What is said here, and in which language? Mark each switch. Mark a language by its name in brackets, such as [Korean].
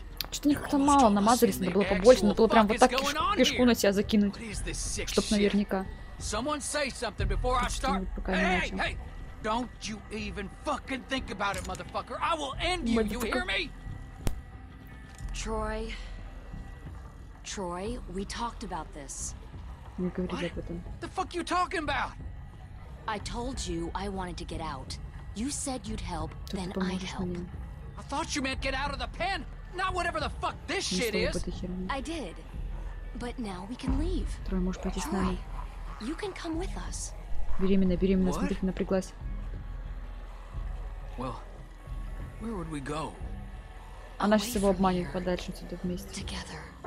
[Russian] Что-то у них как-то мало намазались, надо было побольше, надо было прям вот так кишку на себя закинуть. Чтоб наверняка. [English] Someone say something before I start. Hey, hey, don't you even fucking think about it, motherfucker. I will end you, you hear me? Troy. Troy, we talked about this. What the fuck you talking about? I told you I wanted to get out. You said you'd help, then I'd help. I thought you meant get out of the pen, not whatever the fuck this shit is. I did. But now we can leave. [Russian] Troy, можешь пойти с нами? [English] You can come with us. [Russian] Беременная, беременная, смотрите, напряглась. [English] Well, where would we go? [Russian] Она сейчас его обманет, подальше отсюда вместе. [English] Together.